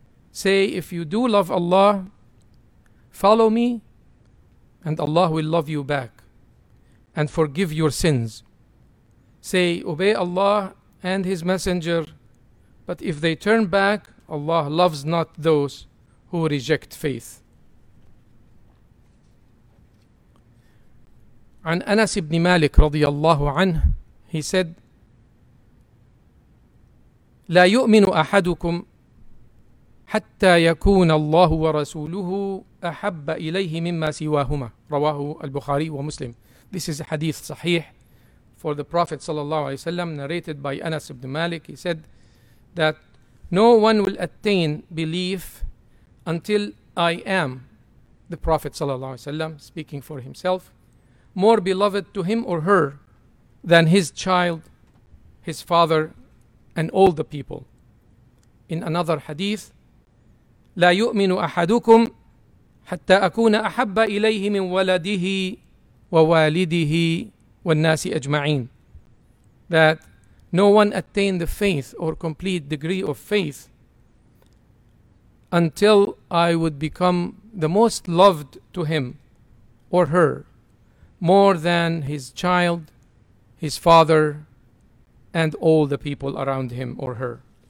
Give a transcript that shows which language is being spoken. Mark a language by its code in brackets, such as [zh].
[en] Say, if you do love Allah, follow me and Allah will love you back and forgive your sins. Say, obey Allah and His Messenger, but if they turn back, Allah loves not those who reject faith. [ar] عن أنس بن مالك رضي الله عنه, [en] he said, [ar] لا يؤمن أحدكم حتى يكون الله ورسوله أحب إليه مما سواهما. رواه البخاري ومسلم. [en] This is a hadith صحيح for the Prophet صلى الله عليه وسلم, narrated by Anas ibn Malik. He said that no one will attain belief until I am, the Prophet صلى الله عليه وسلم, speaking for himself, more beloved to him or her than his child, his father, and all the people. In another hadith, [ar] لا يؤمن أحدكم حتى أكون أحب إليه من ولده ووالده والناس أجمعين. [en] That no one attained the faith or complete degree of faith until I would become the most loved to him or her, more than his child, his father, and all the people around him or her.